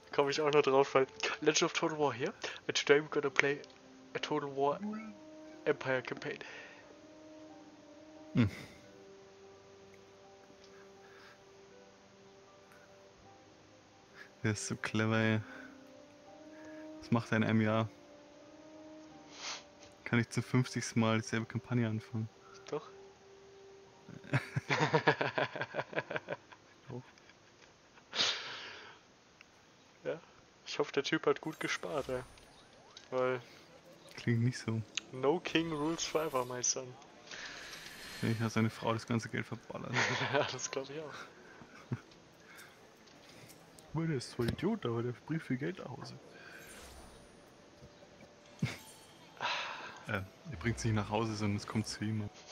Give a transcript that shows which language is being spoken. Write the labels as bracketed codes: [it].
[de] Komm ich auch noch drauf, weil Legend of Total War hier. [en] And today we're gonna play a Total War Empire Campaign. [de] Der ist so clever, ey. Was macht er in einem Jahr? Kann ich zum 50. Mal dieselbe Kampagne anfangen? Doch. Ja, ich hoffe, der Typ hat gut gespart, ey. Weil. Klingt nicht so. [en] No King rules forever, my son. [de] Ich habe seine Frau das ganze Geld verballert. Ja, das glaube ich auch. Der ist zwar Idiot, aber der bringt viel Geld nach Hause. er bringt es nicht nach Hause, sondern es kommt zu ihm.